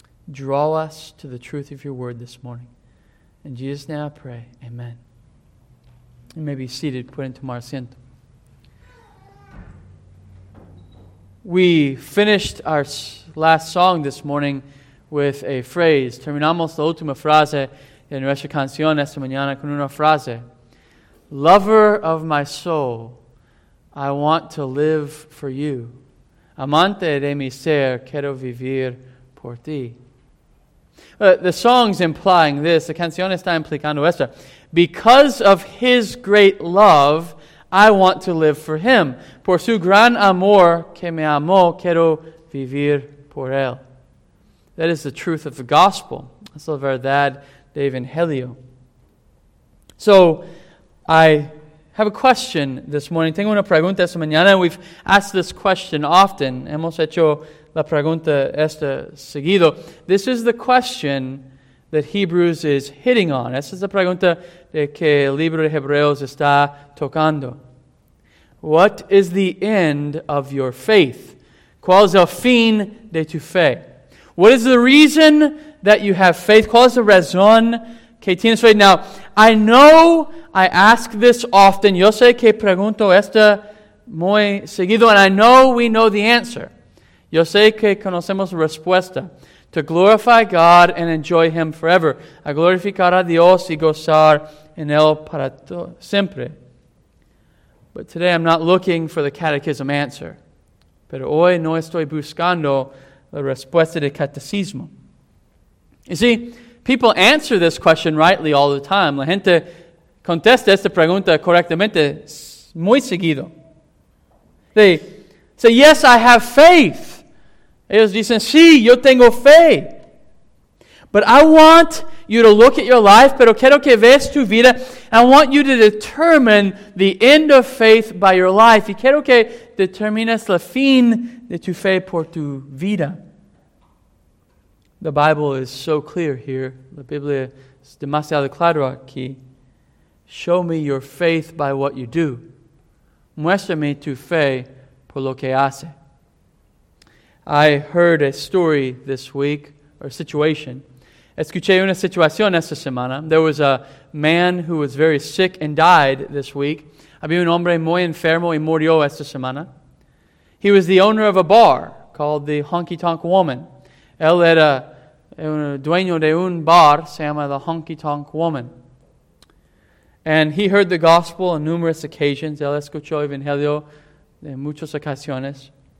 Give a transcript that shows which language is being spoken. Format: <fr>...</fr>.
<en>Draw us to the truth of your word this morning. In Jesus' name I pray, amen. You may be seated, put into tomar asiento. We finished our last song this morning with a phrase.</en> <es>Terminamos la última frase en nuestra canción esta mañana con una frase.</es> <en>Lover of my soul, I want to live for you.</en> <es>Amante de mi ser, quiero vivir por ti.</es> <en>The song's implying this. The</en> <es>canción está implicando esto.</es> <en>Because of his great love, I want to live for him.</en> <es>Por su gran amor que me amó, quiero vivir por él.</es> <en>That is the truth of the gospel.</en> <es>Es la verdad de Evangelio.</es> <en>So, I have a question this morning.</en> <es>Tengo una pregunta esta mañana.</es> <en>We've asked this question often.</en> <es>Hemos hecho la pregunta esta seguido.</es> <en>This is the question that Hebrews is hitting on.</en> <es>Esta es la pregunta de que el libro de Hebreos está tocando.</es> <en>What is the end of your faith?</en> <es>¿Cuál es el fin de tu fe?</es> <en>What is the reason that you have faith?</en> <es>¿Cuál es la razón que tienes fe?</es> <en>Now, I know I ask this often.</en> <es>Yo sé que pregunto esta muy seguido,</es> <en>and I know we know the answer.</en> <es>Yo sé que conocemos la respuesta.</es> <en>To glorify God and enjoy Him forever.</en> <es>A glorificar a Dios y gozar en Él para siempre.</es> <en>But today I'm not looking for the catechism answer.</en> <es>Pero hoy no estoy buscando la respuesta del catecismo.</es> <en>You see, people answer this question rightly all the time.</en> <es>La gente contesta esta pregunta correctamente muy seguido.</es> <en>They say, yes, I have faith.</en> <es>Ellos dicen, sí, yo tengo fe.</es> <en>But I want you to look at your life,</en> <es>pero quiero que veas tu vida.</es> <en>I want you to determine the end of faith by your life.</en> <es>Y quiero que determines la fin de tu fe por tu vida.</es> <en>The Bible is so clear here.</en> <es>La Biblia es demasiado claro aquí.</es> <en>Show me your faith by what you do.</en> <es>Muéstrame tu fe por lo que hace.</es> <en>I heard a story this week, or situation.</en> <es>Escuché una situación esta semana.</es> <en>There was a man who was very sick and died this week.</en> <es>Había un hombre muy enfermo y murió esta semana.</es> <en>He was the owner of a bar called the Honky Tonk Woman.</en> <es>Él era dueño de un bar, se llama the Honky Tonk Woman.</es> <en>And he heard the gospel on numerous occasions.</en> <es>Él escuchó el Evangelio en muchas ocasiones.</es>